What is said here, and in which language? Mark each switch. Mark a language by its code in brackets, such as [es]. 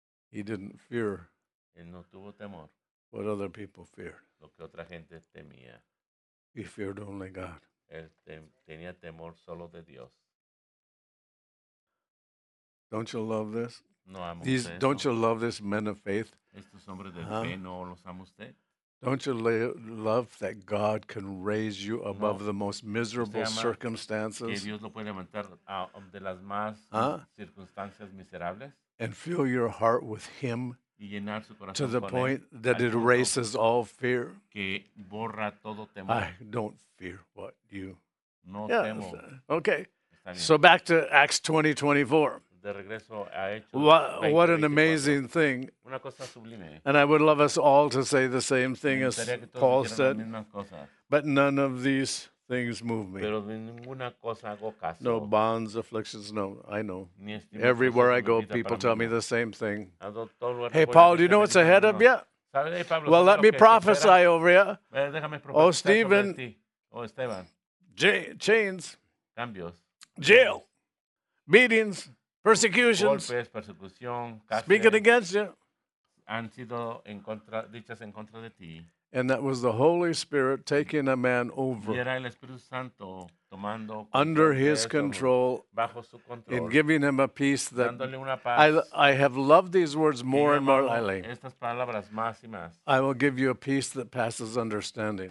[en] He didn't fear. [es] Él no tuvo temor. [en] What other people feared. [es] Lo que otra gente temía. [en] He feared only God. [es] Él tenía temor solo de Dios. [en] Don't you love this? No, these, don't you love this men of faith? [es] Estos hombres de fe, ¿no los ama usted? [en] Don't you love that God can raise you above the most miserable circumstances? [es] Que Dios lo puede levantar de las más circunstancias miserables? [en] And fill your heart with Him [es] y llenar su corazón [en] to the [es] con [en] point [es] él, [en] that it erases all fear. [es] Que borra todo temor. [en] I don't fear what you. [es] No temo. [en] Okay. So back to Acts 20:24. [es] De regreso a Hechos [en] what an amazing thing. [es] Una cosa sublime. [en] And I would love us all to say the same thing as Paul said. But none of these things move me. [es] Pero de ninguna cosa hago caso. [en] No bonds, afflictions, no, I know. Everywhere I go, people tell me the same thing. Hey, Paul, do you know what's ahead of you? Well, let me prophesy over you. Oh, Stephen. [es] Oh, Esteban. [en] Chains. [es] Cambios. [en] Jail. Beatings. Persecutions. [es] Golpes, persecución, cárcel, [en] speaking against you. [es] Han sido en contra, dichas en contra de ti. [en] And that was the Holy Spirit taking a man over. [es] Y era el Espíritu Santo tomando [en] under his control, [es] bajo su control. [en] And giving him a peace that [es] dándole una paz. [en] I have loved these words more y and more lately. [es] Estas palabras más y más. [en] I will give you a peace that passes understanding.